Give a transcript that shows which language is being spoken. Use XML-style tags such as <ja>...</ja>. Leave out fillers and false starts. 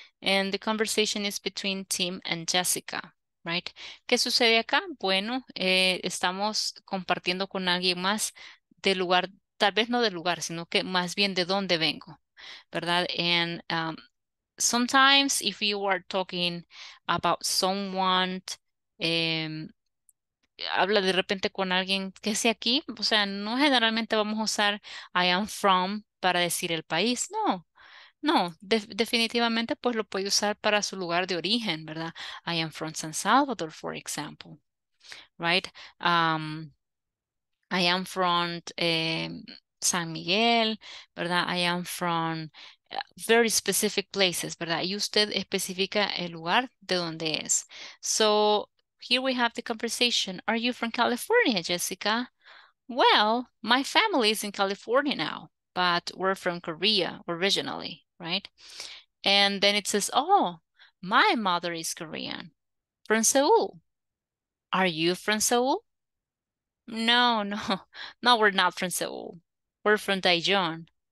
<en>And the conversation is between Tim and Jessica, right?</en> <es>¿Qué sucede acá? Bueno, estamos compartiendo con alguien más del lugar, tal vez no del lugar, sino que más bien de dónde vengo, ¿verdad?</es> <en>And sometimes if you are talking about someone,</en> <es>habla de repente con alguien que sea aquí, o sea, no generalmente vamos a usar I am from para decir el país, no. No, definitivamente pues lo puede usar para su lugar de origen, ¿verdad?</es> <en>I am from San Salvador, for example, right? I am from San Miguel, ¿verdad? I am from very specific places, ¿verdad?</en> <es>Y usted especifica el lugar de donde es.</es> <en>So here we have the conversation. Are you from California, Jessica? Well, my family is in California now, but we're from Korea originally. Right? And then it says, oh, my mother is Korean, from Seoul. Are you from Seoul? No, we're not from Seoul. We're from Daejeon.</en>